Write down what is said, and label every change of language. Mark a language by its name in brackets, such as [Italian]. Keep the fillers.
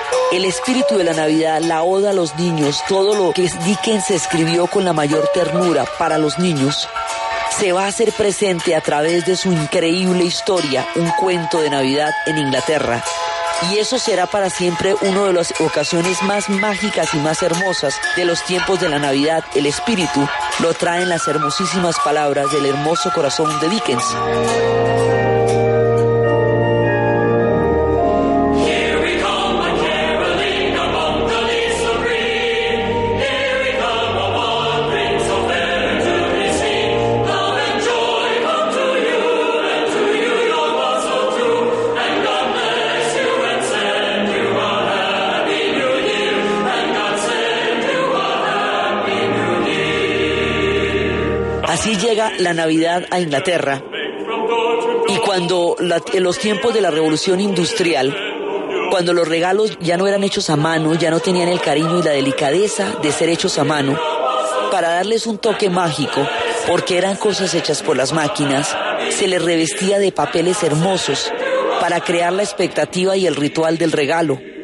[Spanish] El espíritu de la Navidad, la oda a los niños, todo lo que Dickens escribió con la mayor ternura para los niños, se va a hacer presente a través de su increíble historia, un cuento de Navidad en Inglaterra. Y eso será para siempre una de las ocasiones más mágicas y más hermosas de los tiempos de la Navidad. El espíritu lo traen las hermosísimas palabras del hermoso corazón de Dickens. [English] Here we come a caroling among the leaves so green. Here we come a wandering so fair to be seen. Love and joy come to you, and to you your love so true. And God bless you and send you a happy new year. And God send you a happy new year. [Spanish] Así llega la Navidad a Inglaterra. Y cuando la- en los tiempos de la revolución industrial, cuando los regalos ya no eran hechos a mano, ya no tenían el cariño y la delicadeza de ser hechos a mano, para darles un toque mágico, porque eran cosas hechas por las máquinas, se les revestía de papeles hermosos para crear la expectativa y el ritual del regalo.